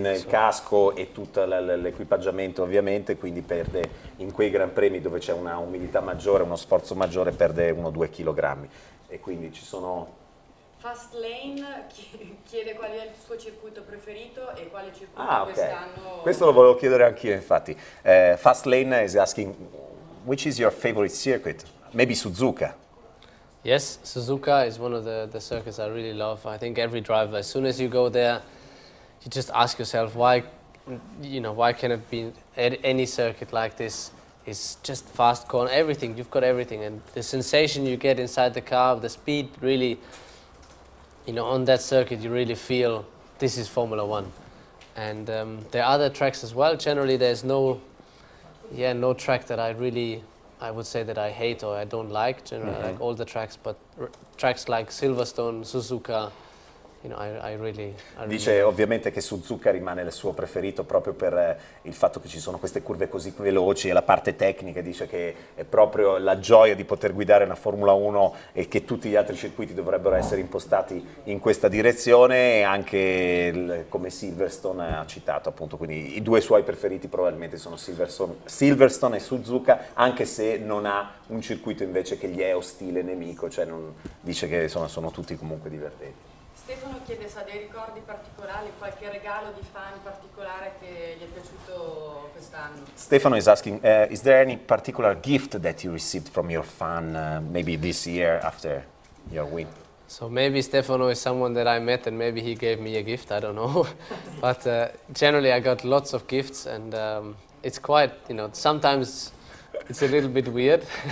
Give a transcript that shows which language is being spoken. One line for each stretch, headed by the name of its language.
Italian: Quindi il casco e tutto l'equipaggiamento, ovviamente, quindi perde, in quei gran premi dove c'è una umidità maggiore, uno sforzo maggiore, perde 1-2 kg. E quindi ci sono... Fast Lane chiede qual è il suo circuito preferito e quale circuito quest'anno... Questo lo volevo chiedere anch'io, infatti.
English: Fast Lane is asking, which is your favorite circuit? Maybe Suzuka. Yes, Suzuka is one of the circuits I really love. I think every driver, as soon as you go there, you just ask yourself why can it be any circuit like this? It's just fast corner, everything, you've got everything. And the sensation you get inside the car, the speed, really, you know, on that circuit, you really feel this is Formula One. And there are other tracks as well. Generally, there's no track that I would say that I hate or I don't like, generally, mm-hmm. like all the tracks, but tracks like Silverstone, Suzuka, you know, I really...
Italian: Dice ovviamente che Suzuka rimane il suo preferito proprio per il fatto che ci sono queste curve così veloci e la parte tecnica, dice che è proprio la gioia di poter guidare una Formula 1 e che tutti gli altri circuiti dovrebbero essere impostati in questa direzione, e anche come Silverstone ha citato appunto, quindi i due suoi preferiti probabilmente sono Silverstone e Suzuka, anche se non ha un circuito invece che gli è ostile, nemico, cioè non, dice che sono tutti comunque divertenti. Stefano chiede se ha dei ricordi particolari, qualche regalo di fan particolare che gli è piaciuto quest'anno.
English: Stefano is asking, is there any particular gift that you received from your fan, maybe this year after your win? So maybe Stefano is someone that I met and maybe he gave me a gift, I don't know. But generally I got lots of gifts and it's quite, you know, sometimes it's a little bit weird.